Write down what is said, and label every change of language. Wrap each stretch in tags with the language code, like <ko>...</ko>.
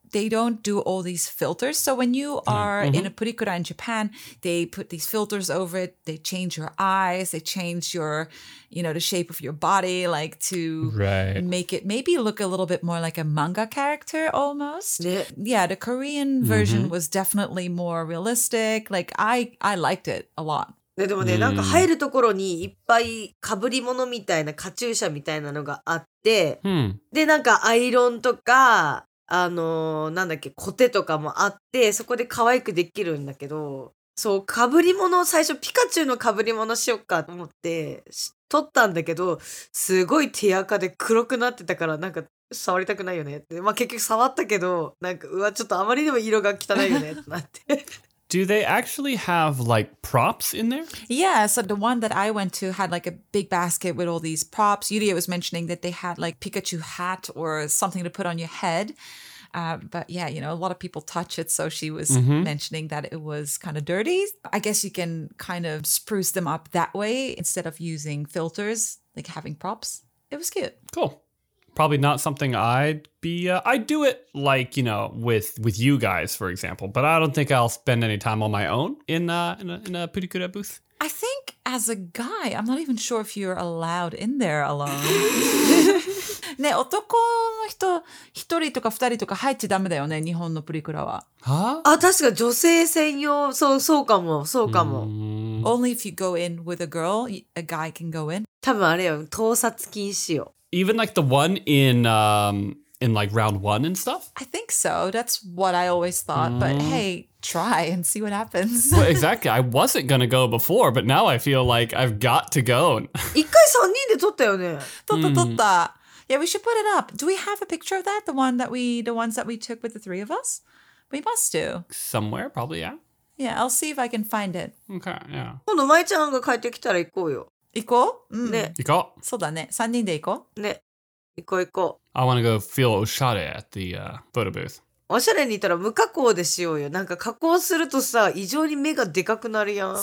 <en>they don't do all these filters. So when you are mm-hmm. in a purikura in Japan, they put these filters over it. They change your eyes. They change your, you know, the shape of your body, like to right. make it maybe look a little bit more like a manga character almost. Yeah. Yeah, the Korean version mm-hmm. was definitely more realistic. Like I liked it a lot.</en> <ja>ね、でもね、なんか入るところにいっぱい被り物みたいなカチューシャみたいなのがあって、うん、で、なんかアイロンとか、なんだっけ、コテとかもあって、そこで可愛くできるんだけど、そう、被り物を最初ピカチュウの被り物しよっかと思って、撮ったんだけど、すごい手垢で黒くなってたから、なんか触りたくないよねって。まあ結局触ったけど、なんか、うわ、ちょっとあまりにも色が汚いよねってなって。</ja> <en>Do they actually have, like, props in there? Yeah, so the one that I went to had, like, a big basket with all these props. Yuria was mentioning that they had, like, Pikachu hat or something to put on your head. But, yeah, you know, a lot of people touch it, so she was mm-hmm. mentioning that it was kind of dirty. I guess you can kind of spruce them up that way instead of using filters, like having props. It was cute. Cool. Probably not something I'd be, I'd do it like, you know, with you guys, for example, but I don't think I'll spend any time on my own in a purikura booth. I think as a guy, I'm not even sure if you're allowed in there alone.</en> <ja>ね、男の人一人とか二人とか入っちゃダメだよね、日本のプリクラは。は？あ、確か女性専用、そうかも、そうかも。</ja> <en>Only if you go in with a girl, a guy can go in.</en> <ja>多分あれよ、盗撮禁止よ。</ja> <en>Even like the one in like round one and stuff? I think so. That's what I always thought. But hey, try and see what happens. Well, exactly. I wasn't going to go before, but now I feel like I've got to go.</en> <ja>一回三人で撮ったよね。撮った。</ja> <en>Yeah, we should put it up. Do we have a picture of that? The ones that we took with the three of us? We must do. Somewhere, probably, yeah. Yeah, I'll see if I can find it. Okay, yeah.</en> <ja>今度マイちゃんが帰ってきたら行こうよ。行こう、うん、ね。行こう。そうだね。3人で行こう。ね。行こう行こう。</ja> <en>I wanna go feel おしゃれ at the photo booth.</en> <ja>おしゃれに行ったら無加工でしようよ。なんか加工するとさ、異常に目がでかくなるやん。</ja>